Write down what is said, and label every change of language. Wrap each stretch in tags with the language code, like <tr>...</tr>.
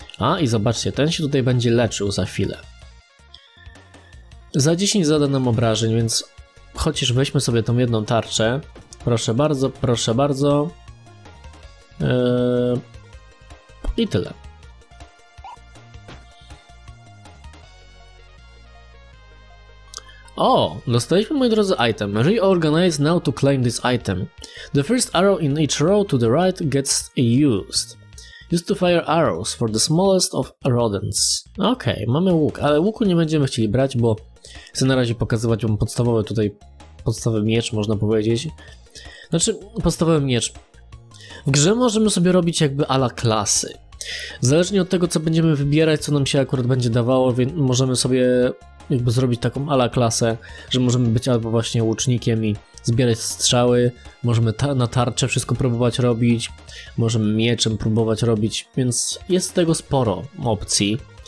<pl>A, i zobaczcie, ten się tutaj będzie leczył za chwilę. Za 10 zada nam obrażeń, więc chociaż weźmy sobie tą jedną tarczę. Proszę bardzo, proszę bardzo. I tyle. O, dostaliśmy, moi drodzy, item.</pl> <en>Reorganize now to claim this item. The first arrow in each row to the right gets used. Used to fire arrows for the smallest of rodents.</en> <pl>Okej, okay, mamy łuk, ale łuku nie będziemy chcieli brać, bo chcę na razie pokazywać wam podstawowy tutaj, podstawowy miecz, można powiedzieć. Znaczy, podstawowy miecz. W grze możemy sobie robić jakby a la klasy. Zależnie od tego, co będziemy wybierać, co nam się akurat będzie dawało, więc możemy sobie jakby zrobić taką a la klasę, że możemy być albo właśnie łucznikiem i zbierać strzały, możemy na tarczę wszystko próbować robić, możemy mieczem próbować robić, więc jest tego sporo opcji.</pl>